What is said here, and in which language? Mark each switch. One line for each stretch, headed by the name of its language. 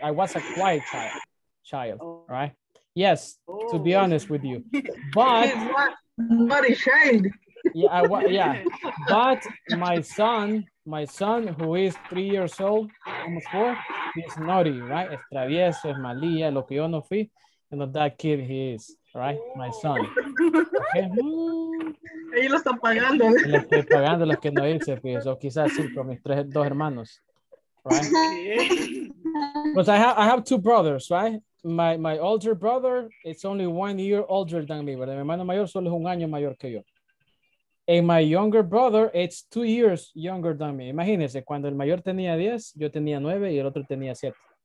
English: I was a quiet child. Right? Yes. Oh. To be honest with you, but naughty child. Yeah. But my son, who is 3 years old, almost four, he's naughty, right?
Spanish: Es travieso, es malía, lo que yo no fui.
English: You know, that kid he is, right? My son.
Spanish: Okay. Ellos lo están pagando. Le estoy pagando los que no hice, pues, o quizás sí, con mis tres, dos hermanos,
English: right? Because I have two brothers, right? My older brother is only 1 year older than me,
Spanish: ¿verdad? Mi hermano mayor solo es un año mayor que yo.
English: And my younger brother, it's 2 years younger than me.
Spanish: Imagínense, cuando el mayor tenía 10, yo tenía 9 y el otro tenía 7.